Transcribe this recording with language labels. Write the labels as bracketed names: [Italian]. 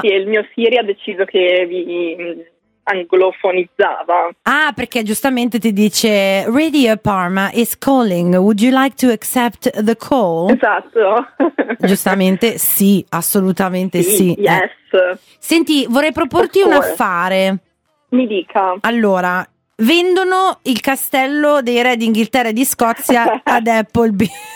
[Italian] sì, il mio Siri ha deciso che vi anglofonizzava. Ah, perché giustamente ti dice [English] Radio Parma is calling, would you like to accept the call? [Italian] Esatto. Giustamente sì, assolutamente sì. [English] Yes. [Italian] Senti, vorrei proporti un affare. Mi dica. Allora, vendono il castello dei re d'Inghilterra e di Scozia ad Appleby.